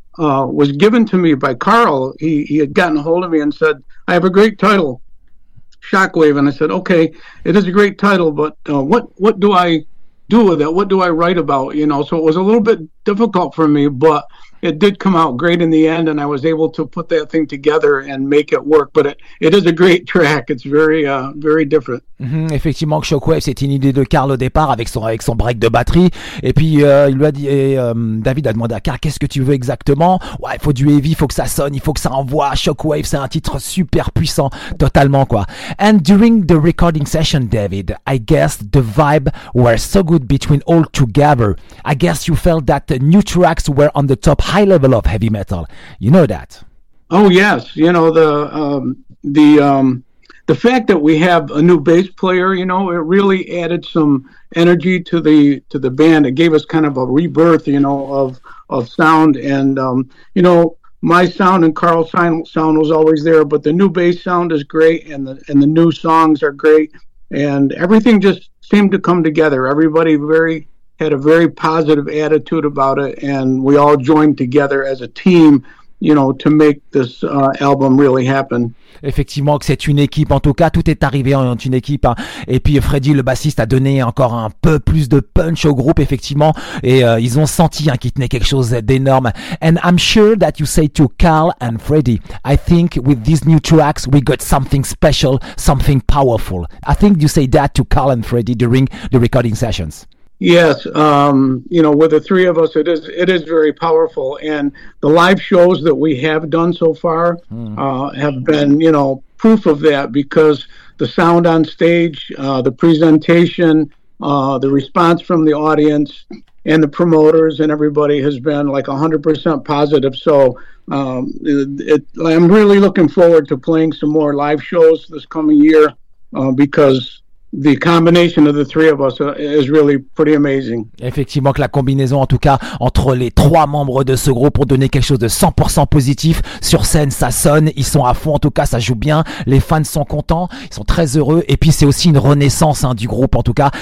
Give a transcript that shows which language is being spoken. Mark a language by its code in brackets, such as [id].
[en] was given to me by Carl. He had gotten a hold of me and said, I have a great title, Shockwave. And I said, okay, it is a great title, but what do I do with it? What do I write about? You know, so it was a little bit difficult for me, but it did come out great in the end, and I was able to put that thing together and make it work. But it is a great track. It's very, very different. Mm-hmm. [fr] Effectivement, Shockwave, c'est une idée de Carl au départ avec son break de batterie. Et puis, il lui a dit, David a demandé à Carl, qu'est-ce que tu veux exactement? Ouais, il faut du heavy, il faut que ça sonne, il faut que ça envoie. Shockwave, c'est un titre super puissant, totalement, quoi. [en] And during the recording session, David, I guess the vibe were so good between all together. I guess you felt that the new tracks were on the top high level of heavy metal. You know that? Oh, yes. You know, the fact that we have a new bass player, you know, it really added some energy to the band. It gave us kind of a rebirth, you know, of sound. And, you know, my sound and Carl's sound was always there, but the new bass sound is great, and the new songs are great. And everything just seemed to come together. Everybody had a very positive attitude about it, and we all joined together as a team, you know, to make this album really happen. [fr] Effectivement, que c'est une équipe. En tout cas, tout est arrivé en une équipe. Hein. Et puis, Freddy, le bassiste, a donné encore un peu plus de punch au groupe, effectivement. Et ils ont senti hein, qu'il tenait quelque chose d'énorme. [en] And I'm sure that you say to Carl and Freddy, I think with these new tracks, we got something special, something powerful. I think you say that to Carl and Freddy during the recording sessions. Yes, you know, with the three of us, it is very powerful, and the live shows that we have done so far have been, you know, proof of that, because the sound on stage, the presentation, the response from the audience and the promoters and everybody has been like 100% positive. So I'm really looking forward to playing some more live shows this coming year, because the combination of the three of us is really pretty amazing. [fr] Effectivement, que la combinaison, en tout cas, entre les trois membres de ce groupe ont donné quelque chose de 100% positif. Sur scène, ça sonne, ils sont à fond, en tout cas, ça joue bien. Les fans sont contents, ils sont très heureux. Et puis, c'est aussi une renaissance hein, du groupe, en tout cas.